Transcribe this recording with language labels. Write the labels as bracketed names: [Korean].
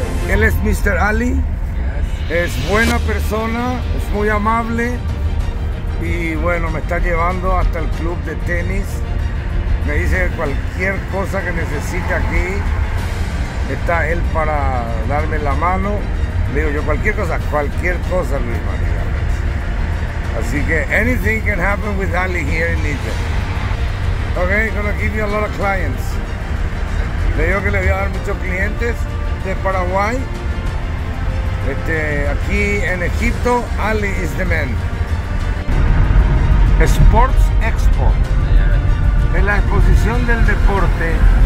[Spanish] Él es Mr. Ali, es buena persona, es muy amable y bueno, me está llevando hasta el club de tenis. Me dice que cualquier cosa que necesite aquí, está él para darme la mano. Le digo yo, cualquier cosa, Luis María. Así que, [English] anything can happen with Ali here in Egypt. Ok, gonna give you a lot of clients. [Spanish] Le digo que le voy a dar muchos clientes de Paraguay. Aquí en Egipto, [English] Ali is the man. [Spanish] Sports Expo. Es la exposición del deporte.